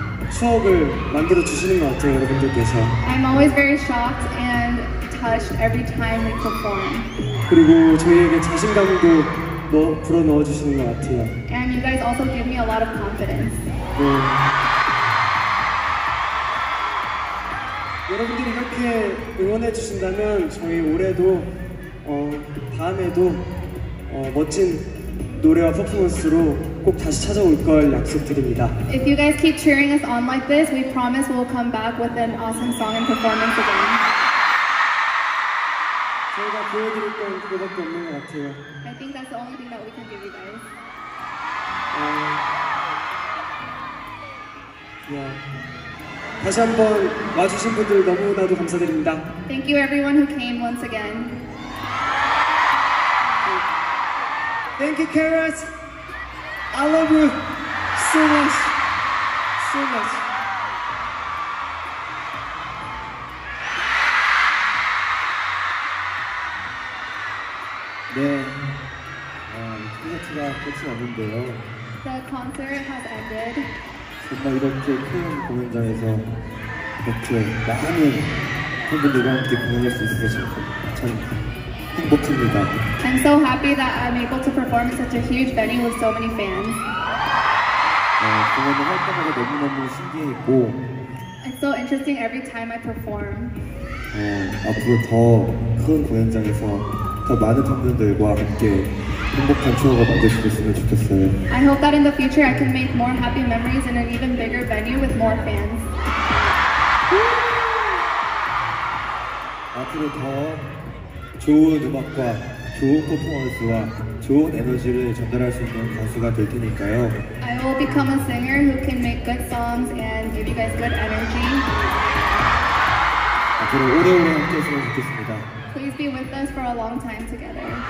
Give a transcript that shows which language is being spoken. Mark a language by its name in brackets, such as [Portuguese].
[Korean] 추억을 만들어 주시는 것 같아요, 여러분들께서. [English] I'm always very shocked and touched every time we perform. [Korean] 그리고 저희에게 자신감도 불어 넣어 주시는 것 같아요. [English] And you guys also give me a lot of confidence. [Korean] 네. 여러분들이 이렇게 응원해 주신다면 저희 올해도 다음에도 멋진 노래와 퍼포먼스로 꼭 다시 찾아올 걸 약속드립니다. [English] If you guys keep cheering us on like this, we promise we'll come back with an awesome song and performance again. [Korean] 저희가 보여드릴 건 그것밖에 없는 것 같아요. [English] I think that's the only thing that we can give you guys. Yeah. [Korean] 다시 한번 와주신 분들 너무나도 감사드립니다. [English] Thank you everyone who came once again. Thank you, Karis. I love you so much. So much. [Korean] 네. 콘서트가 끝이 났는데요. [English] The concert has ended. [Korean] 정말 이렇게 큰 공연장에서 이렇게 많은 팬분들과 함께 공연할 수 있어서 참 행복합니다. [English] I'm so happy that I'm able to perform such a huge venue with so many fans. [Korean] 공연을 할 때마다 너무너무 신기했고. [English] It's so interesting every time I perform. [Korean] 앞으로 더 큰 공연장에서 더 많은 팬분들과 함께 행복한 추억을 만들 수 있으면 좋겠어요. [English] I hope that in the future I can make more happy memories in an even bigger venue with more fans. [Korean] 앞으로 더 좋은 음악과 좋은 퍼포먼스와 좋은 에너지를 전달할 수 있는 가수가 될 테니까요. [English] I will become a singer who can make good songs and give you guys good energy. [Korean] 앞으로 오래오래 함께 했으면 좋겠습니다. [English] Please be with us for a long time together.